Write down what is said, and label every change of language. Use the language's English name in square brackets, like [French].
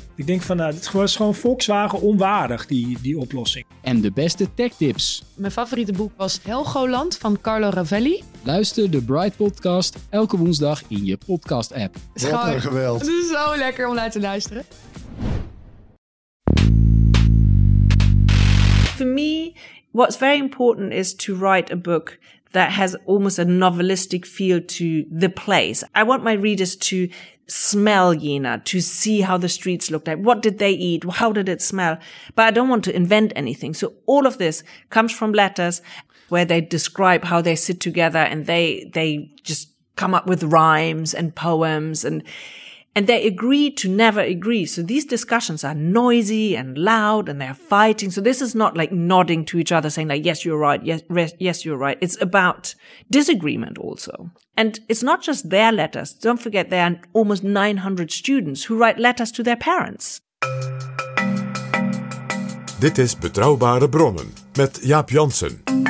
[Dutch] Ik denk van, het was gewoon Volkswagen onwaardig, die oplossing. En de beste tech tips. Mijn favoriete boek was Helgoland van Carlo Rovelli. Luister de Bright Podcast elke woensdag in je podcast app. Wat een geweld. Het is zo lekker om naar te luisteren. [English] For me, what's very important is to write a book that has almost a novelistic feel to the place. I want my readers to smell Jena, to see how the streets looked like. What did they eat? How did it smell? But I don't want to invent anything. So all of this comes from letters where they describe how they sit together and they just come up with rhymes and poems and they agree to never agree. So these discussions are noisy and loud and they're fighting. So this is not like nodding to each other saying like, yes, you're right. Yes, you're right. It's about disagreement also. And it's not just their letters. Don't forget there are almost 900 students who write letters to their parents. [Dutch] Dit is Betrouwbare Bronnen met Jaap Janssen.